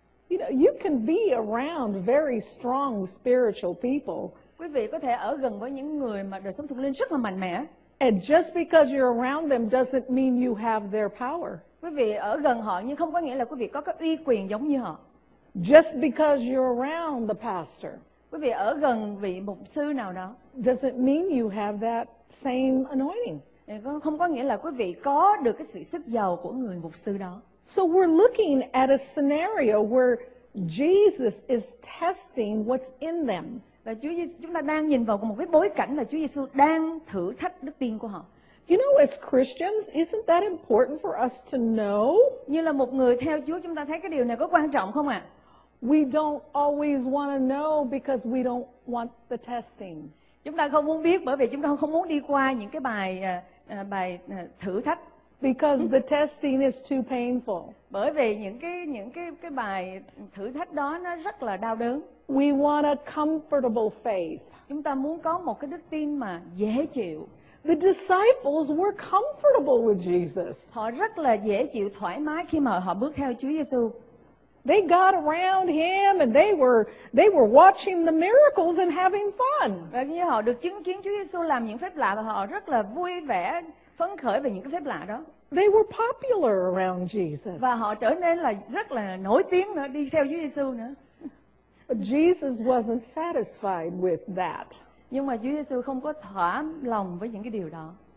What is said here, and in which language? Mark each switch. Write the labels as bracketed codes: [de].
[en] You know, you can be around very strong spiritual people. [vi] Quý vị có thể ở gần với những người mà đời sống thuộc linh rất là mạnh mẽ. [en] And just because you're around them doesn't mean you have their power. [vi] Quý vị ở gần họ nhưng không có nghĩa là quý vị có cái uy quyền giống như họ. [en] Just because you're around the pastor. [vi] Quý vị ở gần vị mục sư nào đó. [en] Doesn't mean you have that same anointing. [vi] Không có nghĩa là quý vị có được cái sự sức giàu của người mục sư đó. [en] So we're looking at a scenario where Jesus is testing what's in them. [vi] Và chúng ta đang nhìn vào một cái bối cảnh là Chúa Giêsu đang thử thách đức tin của họ. [en] You know, as Christians, isn't that important for us to know? [vi] Như là một người theo Chúa, chúng ta thấy cái điều này có quan trọng không ạ? [en] We don't always want to know because we don't want the testing. [vi] Chúng ta không muốn biết bởi vì chúng ta không muốn đi qua những cái bài thử thách. [en] Because the testing is too painful. [vi] Bởi vì những cái bài thử thách đó nó rất là đau đớn. [en] We want a comfortable faith. [vi] Chúng ta muốn có một cái đức tin mà dễ chịu. [en] The disciples were comfortable with Jesus. [vi] Họ rất là dễ chịu, thoải mái khi mà họ bước theo Chúa Giêsu. [en] They got around him and they were watching the miracles and having fun. [vi] Và như họ được chứng kiến Chúa Giêsu làm những phép lạ và họ rất là vui vẻ, phấn khởi về những cái phép lạ đó. [en] They were popular around Jesus. [vi] Và họ trở nên là rất là nổi tiếng nữa, đi theo Chúa Giêsu nữa. [en] But Jesus wasn't satisfied with that. [vi] Nhưng mà Chúa Giêsu không có thỏa lòng với những cái điều đó.